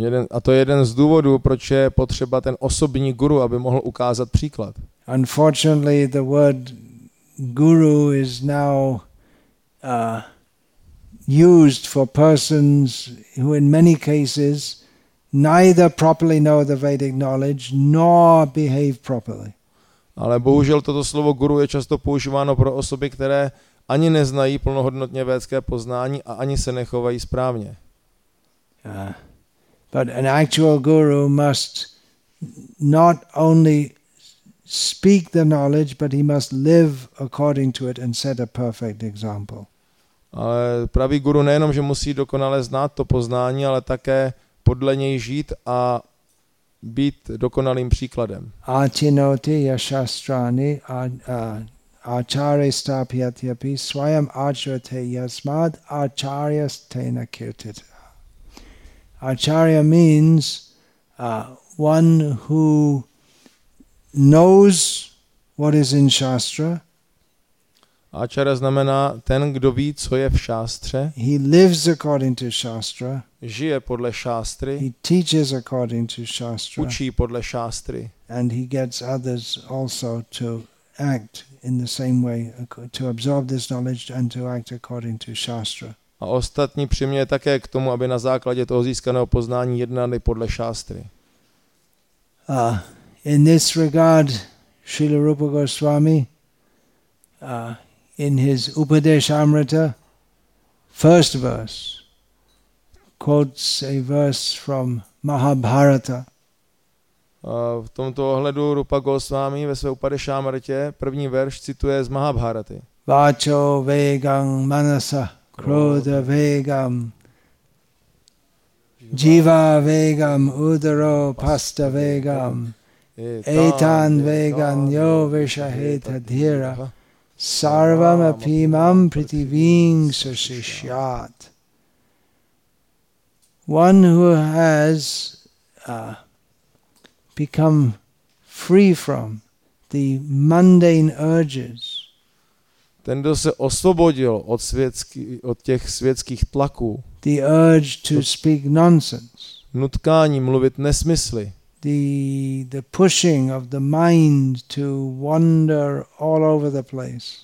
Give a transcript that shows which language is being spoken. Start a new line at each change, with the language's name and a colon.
Czech: A to je jeden z důvodů, proč je potřeba ten osobní guru, aby mohl ukázat příklad.
English: Unfortunately, the word guru is now used for persons who in many cases neither properly know the Vedic knowledge nor behave properly.
Czech: Ale bohužel toto slovo guru je často používáno pro osoby, které ani neznají plnohodnotně védské poznání a ani se nechovají správně.
English: But an actual guru must not only speak the knowledge, but he must live according to it and set a perfect example.
Czech: Ale pravý guru nejenom, že musí dokonale znát to poznání, ale také podle něj žít a být dokonalým příkladem.
Sanskrit: Atinoti yashastrani acharyastapyatyapi svayam acharyate yasmad acharyastena kirtit.
English: Acharya means one who knows what is in shastra.
Czech: Acharya znamená ten, kdo ví, co je v šástře.
English: He lives according to shastra.
Czech: Žije podle šástry.
English: He teaches according to shastra.
Czech: Učí podle šástry.
English: And he gets others also to act in the same way, to absorb this knowledge and to act according to shastra.
Czech: A ostatní přiměje také k tomu, aby na základě toho získaného poznání jednali podle šástry.
English: In this regard, Srila Rupa Goswami, in his Upadeshamrita, first verse, quotes a verse from Mahabharata.
Czech: V tomto ohledu Rupa Goswami ve své Upadeshamritě první verš cituje z Mahabharaty.
Sanskrit: Vácho vegam manasa krodha vegam jiva vegam udaro pasta vegam etan vegan yo vishaheta dhira sarvam apimam prithivim sushishyat.
English: One who has become free from the mundane urges,
Czech: ten, kdo se osvobodil od těch světských tlaků,
English: the urge to speak nonsense,
Czech: nutkání mluvit nesmysly,
English: the pushing of the mind to wander all over the place,